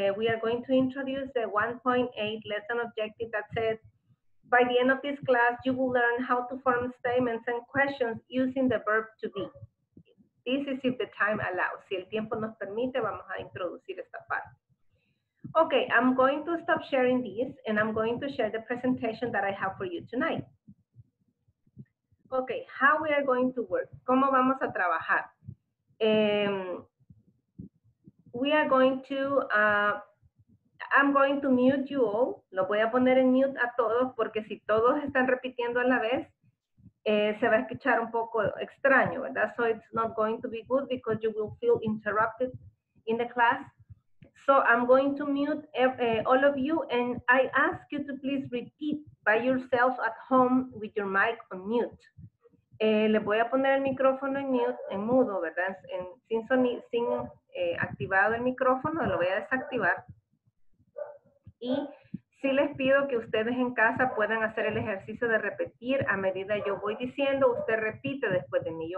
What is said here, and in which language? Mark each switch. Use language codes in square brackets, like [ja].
[en] We are going to introduce the 1.8 lesson objective that says, by the end of this class, you will learn how to form statements and questions using the verb to be. This is if the time allows. [es] Si el tiempo nos permite, vamos a introducir esta parte. [en] Okay, I'm going to stop sharing this and I'm going to share the presentation that I have for you tonight. Okay, how we are going to work? [es] ¿Cómo vamos a trabajar? [en] I'm going to mute you all. [es] Lo voy a poner en mute a todos porque si todos están repitiendo a la vez, se va a escuchar un poco extraño, ¿verdad? [en] So it's not going to be good because you will feel interrupted in the class. So I'm going to mute all of you, and I ask you to please repeat by yourself at home with your mic on mute. [es] Le voy a poner el micrófono en mute, en mudo, ¿verdad? Sin activado el micrófono, lo voy a desactivar. Y sí les pido que ustedes en casa puedan hacer el ejercicio de repetir a medida yo voy diciendo, usted repite después de mí.